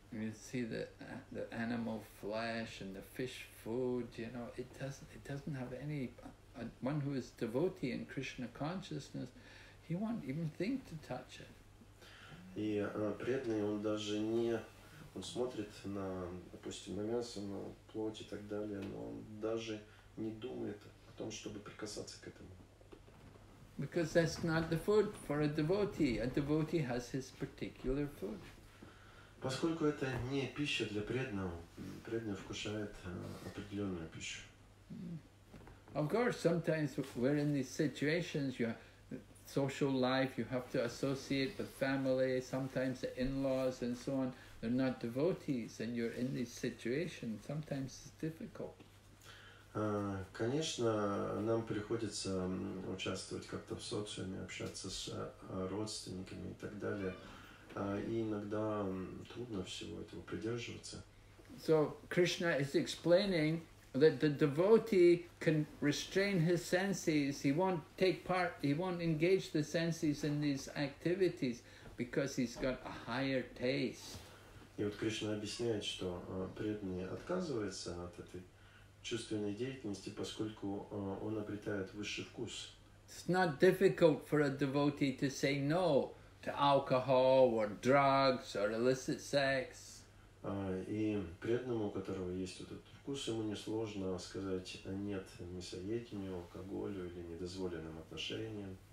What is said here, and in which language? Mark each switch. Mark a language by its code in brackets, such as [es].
[en] You see the animal flesh and the fish food, you know, it doesn't have any, one who is devotee in Krishna consciousness, he won't even think to touch it. [ru] И преданный, он даже не, он смотрит на, допустим, на мясо, на плоть и так далее, но он даже не думает о том, чтобы прикасаться к этому. [en] Because that's not the food for a devotee. A devotee has his particular food. [ru] Поскольку это не пища для преданного, преданный вкушает определенную пищу. [en] Of course, sometimes we're in these situations, your social life, you have to associate with family, sometimes the in-laws and so on, they're not devotees, and you're in these situations, sometimes it's difficult. [ru] Конечно, нам приходится участвовать как-то в социуме, общаться с родственниками и так далее. И иногда трудно всего этого придерживаться. [en] So Krishna is explaining that the devotee can restrain his senses. He won't take part, he won't engage the senses in these activities because he's got a higher taste. [ru] И вот Кришна объясняет, что преданный отказывается от этой чувственной деятельности, поскольку он обретает высший вкус. [en] It's not difficult for a devotee to say no to alcohol or drugs or illicit sex. [ru] И преданному, у которого есть вот этот вкус, ему несложно сказать нет мясоедению, алкоголю или недозволенным отношениям.